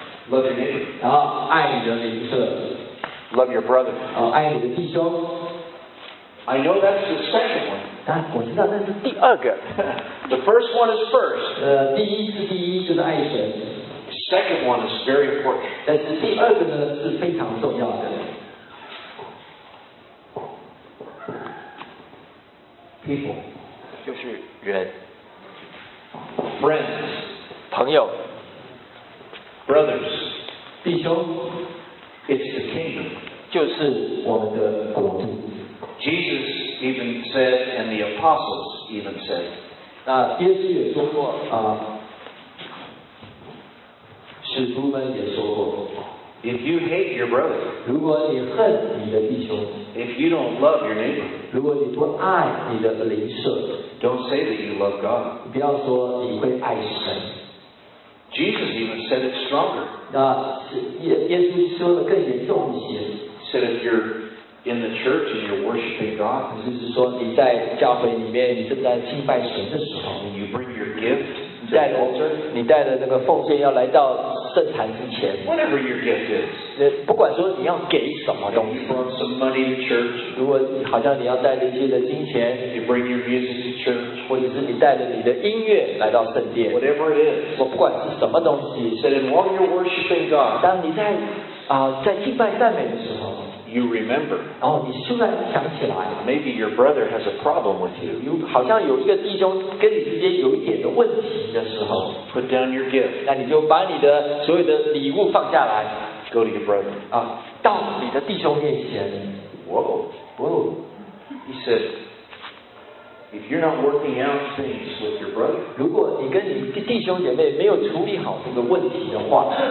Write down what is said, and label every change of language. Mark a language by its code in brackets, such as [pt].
[en] Love your neighbor. [zh] 爱你的邻舍。 [en] Love your brother. [zh] 爱你的弟兄。 [en] I know that's the second one. [zh] 但我知道那是第二个。 [en] The first one is first. [zh] 第一是第一，就是爱神。 [en] Second one is very important. [zh] 但是第二个呢是非常重要的。 [en] People. [zh] 就是人。 [en] Friends. [zh] 朋友。 [en] Brothers. [zh] 弟兄。 [en] It's the kingdom. [zh] 就是我们的国度。 [en] Jesus even said, and the apostles even said, [zh] 耶稣也说过，使徒们也说过， [en] if you hate your brother, [zh] 如果你恨你的弟兄， [en] if you don't love your neighbor, [zh] 如果你不爱你的邻舍， [en] don't say that you love God, [zh] 不要说你会爱神。 [en] Jesus even said it stronger, [zh] 耶稣说的更严重一些， [en] said if you'reIn the church and you're worshiping God. [zh] 就是说你在教会里面你正在敬拜神的时候。 [en] And you bring your gift. [zh] 你带着那个奉献要来到圣坛之前。 [en] Whatever your gift is. [zh] 不管说你要给什么东西。 [en] You brought some money to church. [zh] 如果好像你要带着一些的金钱。 [en] You bring your music to church. [zh] 或者是你带着你的音乐来到圣殿。 [en] Whatever it is. [zh] 我不管是什么东西。 [en] Said in while you're worshiping God. [zh] 当你在在敬拜赞美的时候。 [en] You remember. [zh] 你突然想起来。 [en] Maybe your brother has a problem with you. [zh] 好像有一个弟兄跟你之间有一点的问题的时候。 [en] Put down your gift. [zh] 那你就把你的所有的礼物放下来。 [en] Go to your brother. [zh] 到你的弟兄面前。 [en] Whoa. Whoa. He said, if you're not working out things with your brother, [zh] 如果你跟你弟兄姐妹没有处理好这个问题的话，